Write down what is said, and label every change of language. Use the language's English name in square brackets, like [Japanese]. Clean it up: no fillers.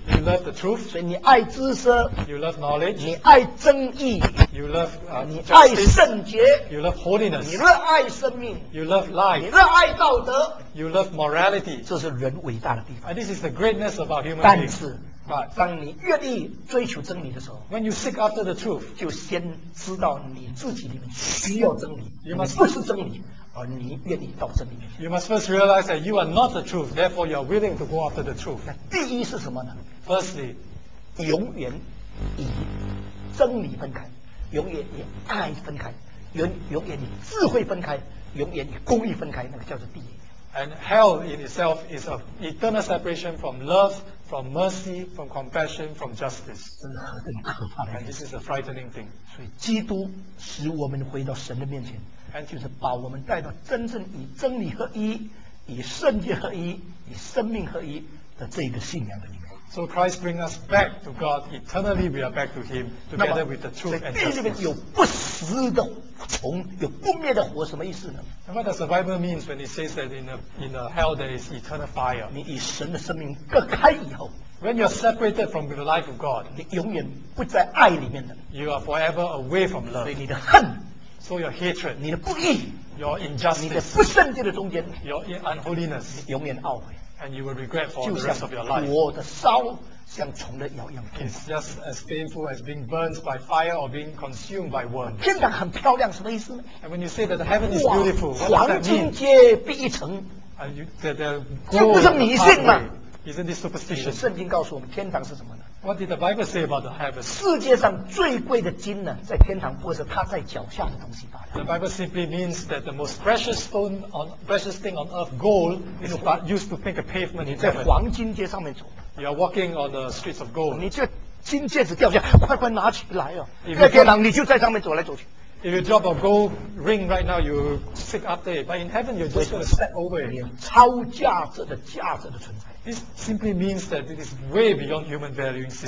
[English] ，You love the truth. [Chinese] 所以你爱知识 [English] ，You love knowledge. [Chinese] 你爱正义。 [English] You love, [Chinese] 你爱圣洁 [English] ，You love holiness. [Chinese] 你热爱生命 [English] ，You love life. [Chinese] 你热爱道德 [English] ，You love morality. [Chinese] 这是人伟大的地方。 [English] And this is the greatness of our human being. [Chinese] 但是 [English] ，But [Chinese] 当你愿意追求真理的时候 [English] ，When you seek after the truth, [Chinese] 就先知道你自己里面需要真理 [English] ，You must [Chinese] 不是真理，而你愿意到真理里面。 [English] You must first realize that you are not the truth, therefore you are willing to go after the truth. [Chinese] 那第一是什么呢 [English] ？Firstly, [Chinese] 永远以真理分开。永远与爱分开，永远与智慧分开，永远与公义分开，那个叫做地狱。 [English] And hell in itself is an eternal separation from love, from mercy, from compassion, from justice. [Chinese] 真的很可怕的。 [English] And this is a frightening thing. [Chinese] 所以基督使我们回到神的面前 [English] ，and [Chinese] 就是把我们带到真正以真理合一、以圣洁合一、以生命合一的这个信仰的里面。 [English] So Christ brings us back to God. Eternally, we are back to Him, together with the truth and justice. [Chinese] 地里面有不死的虫，有不灭的火，什么意思呢 [English] ？And what does the Bible mean when it says that in the hell there is eternal fire? [Chinese] 你与神的生命隔开以后 [English] ，When you are separated from the life of God, [Chinese] 你永远不在爱里面的。 [English] You are forever away from love. [Chinese] 所以你的恨 [English] ，So your hatred, [Chinese] 你的不义 [English] ，Your injustice, [Chinese] 你的不圣洁的中间 [English] ，Your unholiness, [Chinese] 你永远懊悔。 [English] And you will regret for the rest of your life. [Chinese] 火的烧像虫的咬一样。 [English] It's just as painful as being burned by fire or being consumed by worms. [Chinese] 天堂很漂亮，什么意思 [English] ？And when you say that the heaven is beautiful, what does that mean? [Chinese] 黄金阶必一层。 [English] And you that the gold. [Chinese] 这不是迷信吗 [English] ？Isn't this superstition? [Chinese] 圣经告诉我们天堂是什么呢 [English] ？What did the Bible say about the heaven? [Chinese] 世界上最贵的金呢，在天堂，或是它在脚下的东西罢了。 [English] The Bible simply means that the most precious stone on precious thing on earth, gold, is but used to make a pavement. [Chinese] 你在黄金街上面走。 [English] You are walking on the streets of gold. [Chinese] 你这金戒指掉下，快快拿起来哦！在天堂，你就在上面走来走去。 [English] If you drop a gold ring right now, you seek after it. But in heaven, you're just going to step over it. [Chinese] 超价值的价值的存在。 [English] This simply means that it is way beyond human valuing system.